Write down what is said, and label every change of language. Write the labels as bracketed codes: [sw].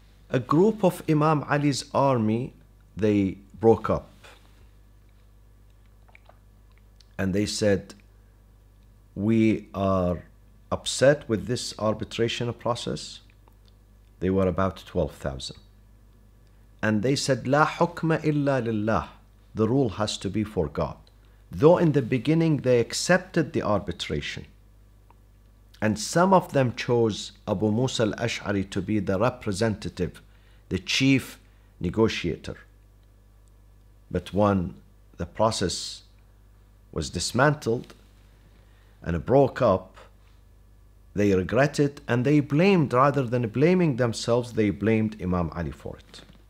[en] A group of Imam Ali's army, they broke up. And they said, we are upset with this arbitration process. They were about 12,000. And they said, [ar] لا حكم إلا لله. [en] The rule has to be for God. Though in the beginning they accepted the arbitration, and some of them chose Abu Musa al-Ash'ari to be the representative, the chief negotiator. But when the process was dismantled and it broke up, they regretted and they blamed, rather than blaming themselves, they blamed Imam Ali for it.